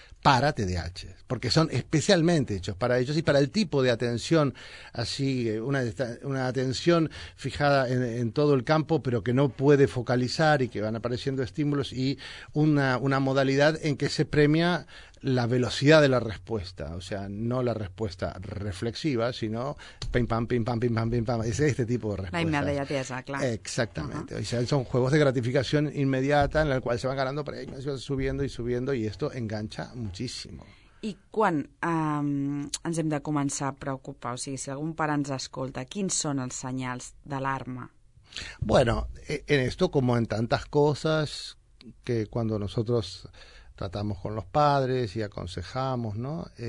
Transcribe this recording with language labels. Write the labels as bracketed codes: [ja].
[es] para TDAH, porque son especialmente hechos para ellos y para el tipo de atención, así una atención fijada en todo el campo, pero que no puede focalizar y que van apareciendo estímulos y una modalidad en que se premia la velocidad de la respuesta, o sea, no la respuesta reflexiva, sino pim, pam, es este tipo de respuestas. La inmediateza, claro. Exactamente. Uh-huh. O sea, son juegos de gratificación inmediata en el cual se van ganando premios, subiendo y esto engancha muchísimo. [ca] I quan ens hem de començar a preocupar? O sigui, si algun pare ens escolta, quins són els senyals d'alarma? [es] Bueno, en esto, como en tantas cosas, que cuando nosotros tratamos con los padres y aconsejamos, ¿no?